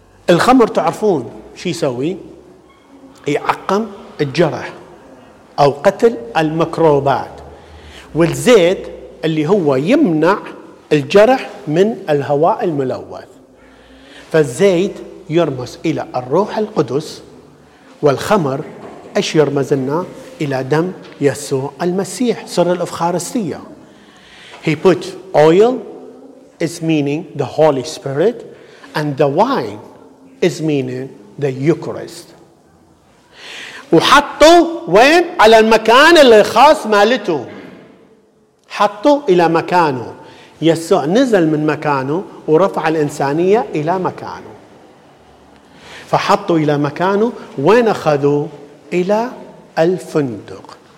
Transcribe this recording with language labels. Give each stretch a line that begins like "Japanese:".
Arabic: الخمر تعرفون شو يسوي؟ يعقم الجرح أو قتل الميكروبات، والزيت اللي هو يمنع الجرح من الهواء الملوث. فالزيت يرمز إلى الروح القدس، والخمر إيش يرمز لنا؟ إلى دم يسوع المسيح، سر الأفخارستية.
English: He put oil is meaning the Holy Spirit and the wine is meaning the Eucharist.
Arabic: وحطوا وين؟ على المكان الخاص مالته، حطوا إلى مكانه. يسوع نزل من مكانه ورفع الإنسانية إلى مكانه، فحطوا إلى مكانه. وين أخذوا؟ إلى الفندق.